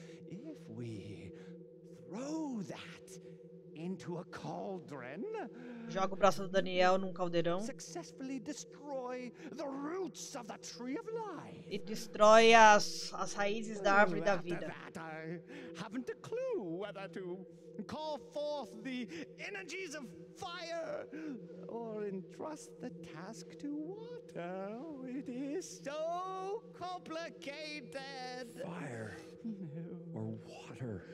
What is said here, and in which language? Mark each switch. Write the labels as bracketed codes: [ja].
[en] If we throw that into a cauldron, [pt] joga o braço do Daniel num caldeirão, [en] successfully destroy the roots of the tree of life, [pt] e destrói as raízes da árvore da vida. [en] That, I haven't a clue whether to call forth the energies of fire or entrust the task to water. Oh, it is so complicated. Fire. Or water.